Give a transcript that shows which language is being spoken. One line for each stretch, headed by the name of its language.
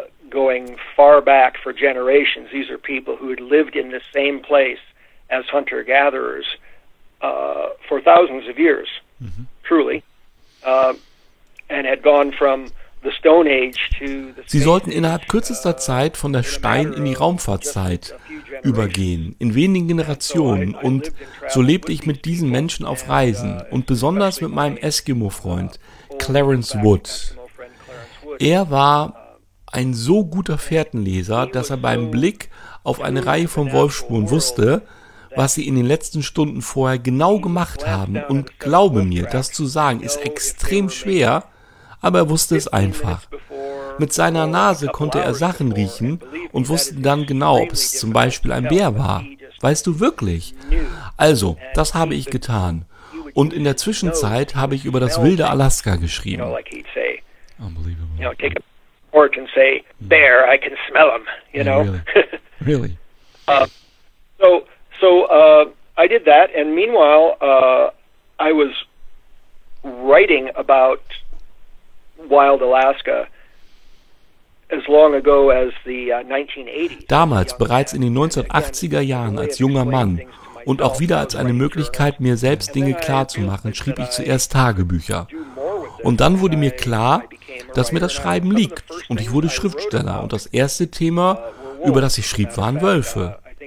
English: Going far back for generations, these are people who had lived in the same place as hunter-gatherers for thousands of years, truly, and had gone from the Stone Age to the.
German: Sie sollten innerhalb kürzester Zeit von der Stein- in die Raumfahrtzeit übergehen, in wenigen Generationen, und so lebte ich mit diesen Menschen auf Reisen und besonders mit meinem Eskimo-Freund Clarence Wood. Er war ein so guter Fährtenleser, dass er beim Blick auf eine Reihe von Wolfsspuren wusste, was sie in den letzten Stunden vorher genau gemacht haben. Und glaube mir, das zu sagen ist extrem schwer, aber er wusste es einfach. Mit seiner Nase konnte er Sachen riechen und wusste dann genau, ob es zum Beispiel ein Bär war. Weißt du wirklich? Also, das habe ich getan. Und in der Zwischenzeit habe ich über das wilde Alaska geschrieben.
English: Unbelievable. Or can say, bear, I can smell them, you know? Really? I did that, and meanwhile, I was writing about wild Alaska as long ago as the 1980s.
German: Damals, bereits in den 1980er Jahren, als junger Mann, und auch wieder als eine Möglichkeit, mir selbst Dinge klarzumachen, schrieb ich zuerst Tagebücher. Und dann wurde mir klar, dass mir das Schreiben liegt, und ich wurde Schriftsteller, und das erste Thema, über das ich schrieb, waren Wölfe.